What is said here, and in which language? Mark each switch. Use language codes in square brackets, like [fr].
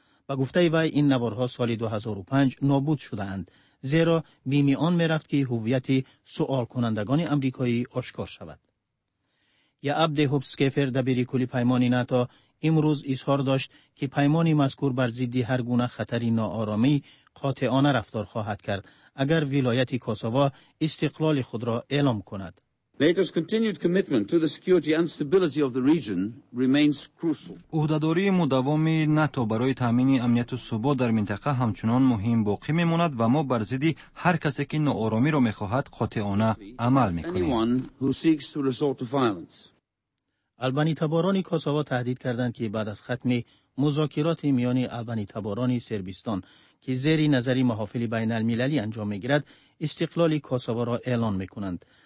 [fa] با گفته وی این نوارها سال 2005 نابود شدند، زیرا بیمی آن می رفت که هویت سوال کنندگان امریکایی آشکار شود. یا عبد هوبسکیفر دبیری کلی پیمان ناتو امروز اظهار داشت که پیمان مذکور بر ضد هر گونه خطری ناآرامی قاطعانه رفتار خواهد کرد اگر ولایت کوسوا استقلال خود را اعلام کند. [en] NATO's continued commitment to the security and stability of the region remains crucial. [fa] عهده‌داری مداوم ناتو برای تامین امنیت و ثبات در منطقه همچنان مهم باقی می‌ماند و ما بر ضد هر کسی که ناآرامی را می‌خواهد قاطعانه عمل می‌کنیم. البانی تباران کوسوا تهدید کردند که بعد از ختم مذاکرات میان البانی تباران سربستان که زیر نظر محافل بین المللی انجام می‌گیرد، استقلال کوسوا را اعلان می‌کنند.